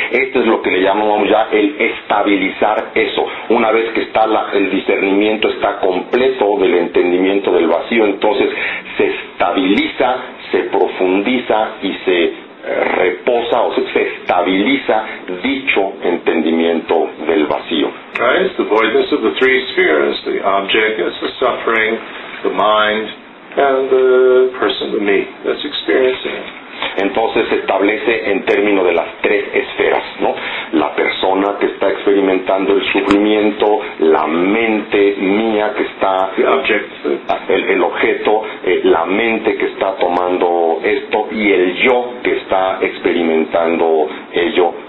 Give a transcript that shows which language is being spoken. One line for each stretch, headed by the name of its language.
Spanish: Esto es lo que le llamamos ya el estabilizar eso. Una vez que está el discernimiento está completo del entendimiento del vacío, entonces se estabiliza, se profundiza y se reposa, o sea, se estabiliza dicho entendimiento del vacío.
English: Right, it's the voidness of the three spheres, the object, it's the suffering, the mind, and the person, the me, that's experiencing.
Spanish: Entonces se establece en términos de las tres esferas, ¿no? La persona que está experimentando el sufrimiento, la mente mía que está, el objeto, la mente que está tomando esto y el yo que está experimentando ello.